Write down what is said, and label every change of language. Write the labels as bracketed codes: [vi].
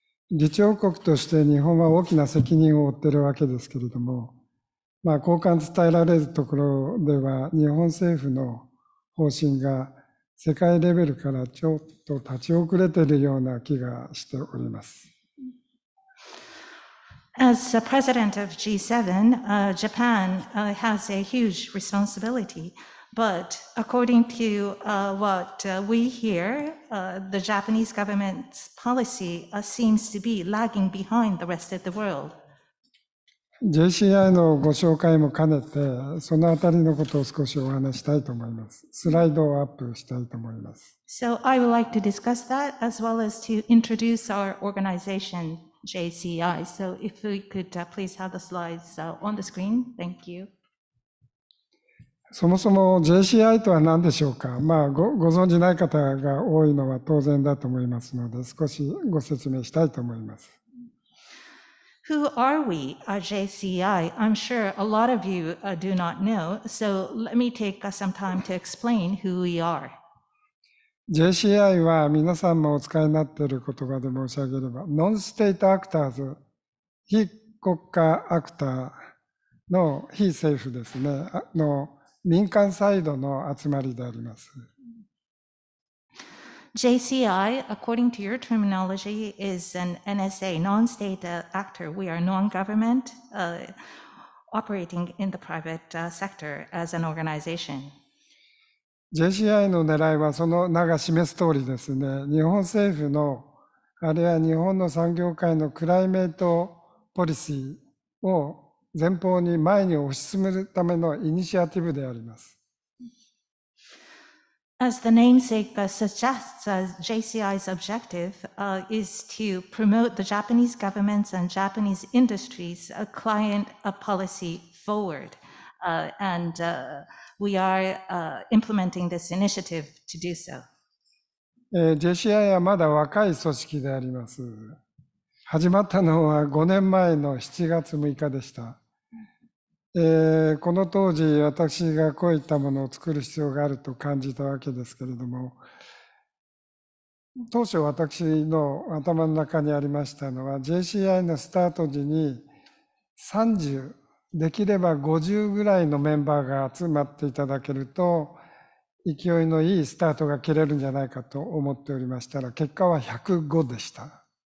[ja] 議長国として日本は大きな責任を負っているわけですけれども、まあ、交換伝えられるところでは日本政府の方針が世界レベルからちょっと立ち遅れているような気がしております。 [en] As the president of G7, Japan has a huge responsibility. But according to what we hear, the Japanese government's policy seems to be lagging behind the rest of the world. [ja] JCI のご紹介も兼ねて、そのあたりのことを少しお話したいと思います。スライドをアップしたいと思います。 [en] So I would like to discuss that as well as to introduce our organization. JCI. So if we could please have the slides on the screen. Thank you. [ja] そもそも JCI とは何でしょうか。まあ、ご存じない方が多いのは当然だと思いますので、少しご説明したいと思います。 [en] Who are we, JCI? I'm sure a lot of you do not know. So let me take some time to explain who we are. [ja] JCI は皆さんもお使いになっている言葉で申し上げれば、ノンステートアクターズ、非国家アクターの非政府ですね、の民間サイドの集まりであります。 [en] JCI, according to your terminology, is an NSA, non-state actor. We are non-government, operating in the private sector as an organization. [ja] JCI の狙いはその名が示す通りですね、日本政府のあるいは日本の産業界のクライメートポリシーを前方に前に推し進めるためのイニシアティブであります。 [en] As the namesake suggests, JCI's objective is to promote the Japanese government's and Japanese industry's client policy forward andWe are implementing this initiative to do so. [ja] JCI はまだ若い組織であります。始まったのは5年前の7月6日でした。この当時、私がこういったものを作る必要があると感じたわけですけれども、当初私の頭の中にありましたのは、JCI のスタート時に30、できれば50ぐらいのメンバーが集まっていただけると勢いのいいスタートが切れるんじゃないかと思っておりましたら、結果は105でした。